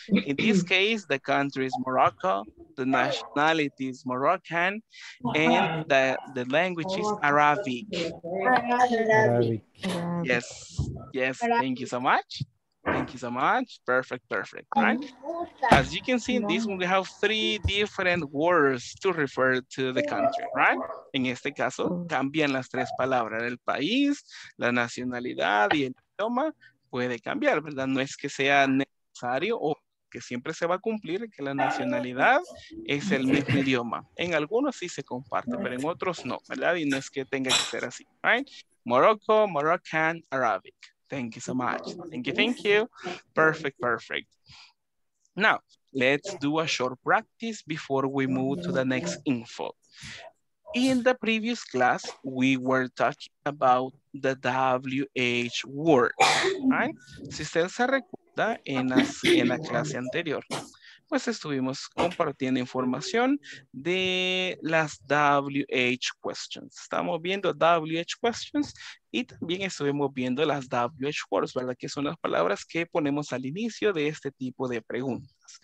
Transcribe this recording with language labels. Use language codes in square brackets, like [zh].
[en] In this case, the country is Morocco, the nationality is Moroccan, and the language is Arabic. Arabic. Yes, yes, thank you so much. Thank you so much. Perfect, perfect. Right? As you can see in this one, we have three different words to refer to the country, right? [es] En este caso, cambian las tres palabras, el país, la nacionalidad y el idioma. Puede cambiar, ¿verdad? No es que sea necesario o que siempre se va a cumplir que la nacionalidad es el mismo idioma. En algunos sí se comparte, pero en otros no, ¿verdad? Y no es que tenga que ser así, right? [en] Morocco, Moroccan, Arabic. Thank you so much. Thank you. Perfect, perfect. Now, let's do a short practice before we move to the next info. In the previous class, we were talking about the WH word, right? [es] Si usted se recuerda en la clase anterior, pues estuvimos compartiendo información de las WH questions. Estamos viendo WH questions y también estuvimos viendo las WH words, ¿verdad? Que son las palabras que ponemos al inicio de este tipo de preguntas.